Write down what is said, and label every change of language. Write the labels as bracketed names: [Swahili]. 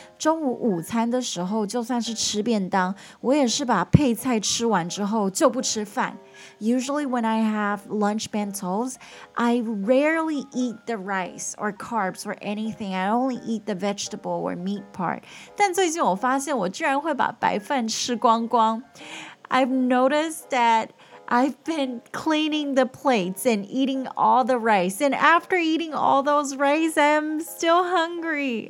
[Chinese] 中午午餐的时候就算是吃便当， 我也是把配菜吃完之后就不吃饭。 [English] Usually when I have lunch bentos, I rarely eat the rice or carbs or anything. I only eat the vegetable or meat part. [Chinese] 但最近我发现我居然会把白饭吃光光。 [English] I've noticed that I've been cleaning the plates and eating all the rice. And after eating all those rice, I'm still hungry.